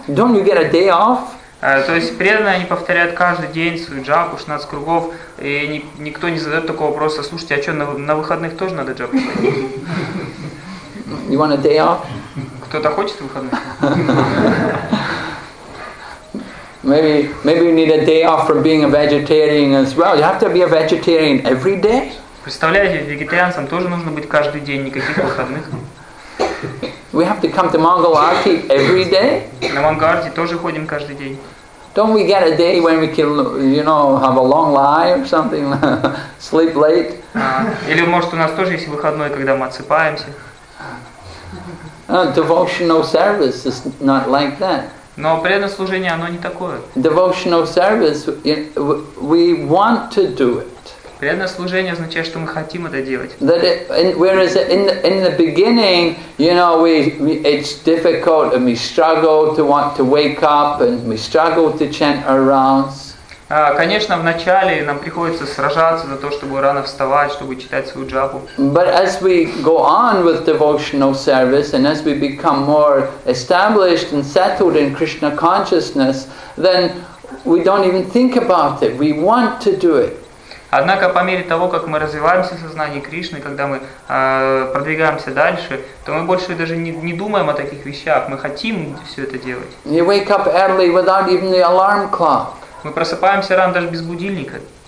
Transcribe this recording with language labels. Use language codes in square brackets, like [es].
[en] Don't you get a day off? [ru] То есть преданные, они повторяют каждый день свою джапу, 16 кругов, и никто не задает такого вопроса, слушайте, а что, на выходных тоже надо джапу? [en] You want a day off? [ru] Кто-то хочет выходной? [en] Maybe you need a day off from being a vegetarian as well. You have to be a vegetarian every day. [ru] Представляете, вегетарианцам тоже нужно быть каждый день, никаких выходных. [en] We have to come to Mangal Arati every day. [ru] На Мангал Арти тоже ходим каждый день. [en] Don't we get a day when we can, you know, have a long lie or something, sleep late? [ru] Или может у нас тоже есть выходной, когда мы отсыпаемся? [en] Devotional service is not like that. [ru] Но преданное служение, оно не такое. [en] Devotional service, we want to do it. [ru] Преданное служение означает, что мы хотим это делать. [en] That it, whereas in the beginning, you know, we it's difficult and we struggle to want to wake up and we struggle to chant our rounds. [ru] Конечно, вначале нам приходится сражаться за то, чтобы рано вставать, чтобы читать свою джапу. [en] But as we go on with devotional service and as we become more established and settled in Krishna consciousness, then we don't even think about it. We want to do it. [ru] Однако по мере того, как мы развиваемся в сознании Кришны, когда мы продвигаемся дальше, то мы больше даже не думаем о таких вещах, мы хотим все это делать. [en] You wake up early without even the alarm clock. [ru] Мы просыпаемся рано даже без будильника.